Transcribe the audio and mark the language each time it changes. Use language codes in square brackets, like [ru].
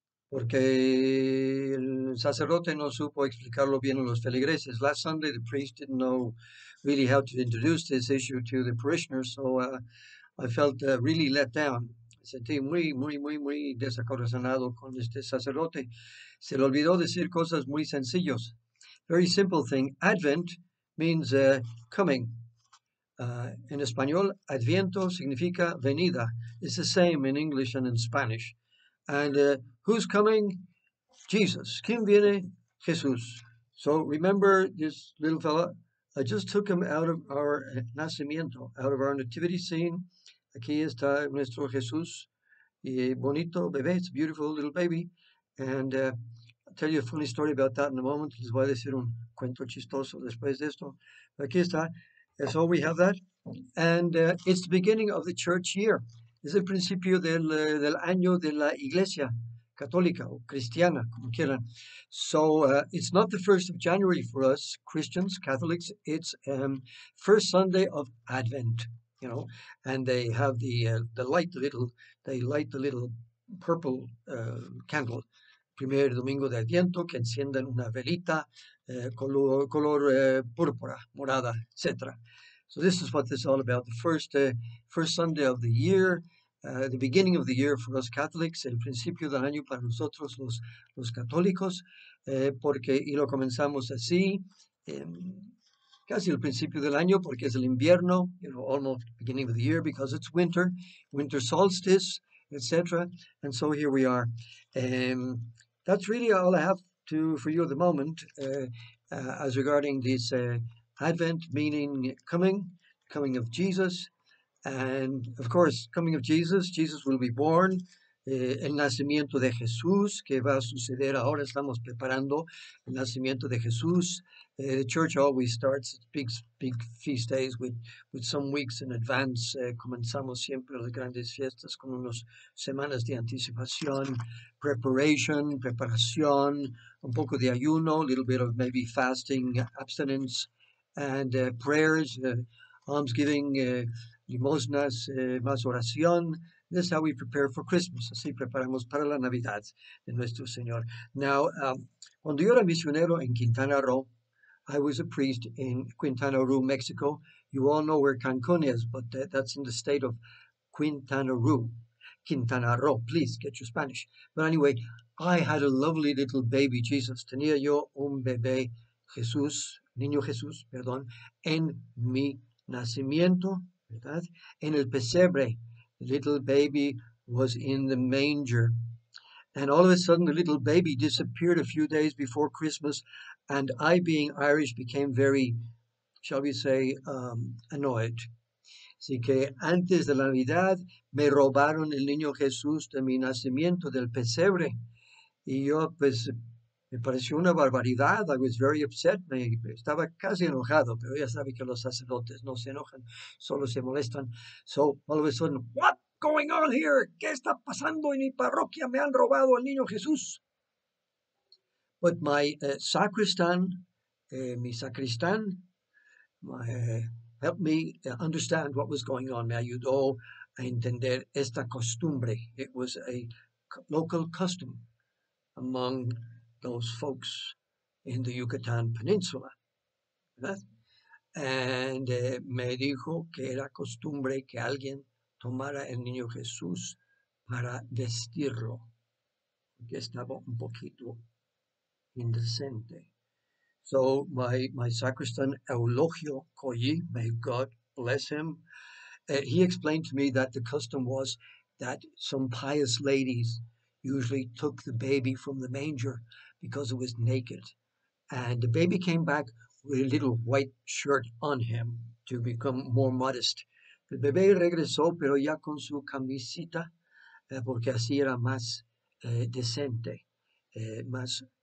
[es] Porque el sacerdote no supo explicarlo bien a los feligreses. [en] Last Sunday, the priest didn't know really how to introduce this issue to the parishioners, so I felt really let down. [es] Sentí muy, muy, muy, muy desacorazonado con este sacerdote. Se le olvidó decir cosas muy sencillos. [en] Very simple thing. Advent means coming. [es] En español, Adviento significa venida. [en] It's the same in English and in Spanish. And who's coming? Jesus. [es] ¿Quién viene? Jesús. [en] So remember this little fella. I just took him out of our nacimiento, out of our nativity scene. [es] Aquí está nuestro Jesús, y bonito bebé, [en] it's a beautiful little baby. And I'll tell you a funny story about that in a moment. [es] Les voy a decir un cuento chistoso después de esto. Aquí está, [en] that's all we have that. And it's the beginning of the church year. [es] Es el principio del año de la iglesia católica o cristiana, como quieran. [en] So it's not the 1st of January for us Christians, Catholics. It's first Sunday of Advent. You know, and they have the little purple candle. [es] Primer domingo de Adviento, que encienden una velita color púrpura, morada, etc. [en] So this is what this is all about. The first Sunday of the year, the beginning of the year for us Catholics, [es] el principio del año para nosotros los católicos, porque y lo comenzamos así, casi el principio del año, porque es el invierno, [en] you know, almost beginning of the year, because it's winter, winter solstice, etc. And so here we are. That's really all I have for you at the moment, as regarding this Advent, meaning coming of Jesus. And of course, coming of Jesus will be born. [es] El nacimiento de Jesús, que va a suceder ahora, estamos preparando el nacimiento de Jesús. [en] The church always starts big feast days with some weeks in advance. [es] Comenzamos siempre las grandes fiestas con unas semanas de anticipación, preparación, un poco de ayuno, [en] a little bit of maybe fasting, abstinence, and prayers, almsgiving, [es] limosnas, más oración. [en] This is how we prepare for Christmas. [es] Así preparamos para la Navidad de nuestro Señor. [en] Now, [es] cuando yo era misionero en Quintana Roo, [en] I was a priest in Quintana Roo, Mexico. You all know where Cancun is, but that's in the state of Quintana Roo. Quintana Roo, please get your Spanish. But anyway, I had a lovely little baby Jesus. [es] Tenía yo un bebé Jesús, niño Jesús, perdón, en mi nacimiento, ¿verdad? En el pesebre. [en] The little baby was in the manger. And all of a sudden, the little baby disappeared a few days before Christmas. And I, being Irish, became very, shall we say, annoyed. [es] Así que antes de la Navidad, me robaron el niño Jesús de mi nacimiento, del pesebre. Y yo, pues, me pareció una barbaridad. [en] I was very upset. [es] Estaba casi enojado, pero ya sabe que los sacerdotes no se enojan, solo se molestan. [en] So, all of a sudden, what going on here? [es] ¿Qué está pasando en mi parroquia? Me han robado al niño Jesús. [en] But my sacristan, [es] mi sacristan, [en] helped me understand what was going on. [es] Me ayudó a entender esta costumbre. [en] It was a local custom among those folks in the Yucatan Peninsula. [es] ¿Verdad? And me dijo que era costumbre que alguien tomara el niño Jesús para vestirlo. Porque estaba un poquito indecente. [en] So my sacristan Eulogio Coyi, may God bless him, he explained to me that the custom was that some pious ladies usually took the baby from the manger because it was naked. And the baby came back with a little white shirt on him to become more modest. [es] El bebé regresó, pero ya con su camisita, porque así era más decente, más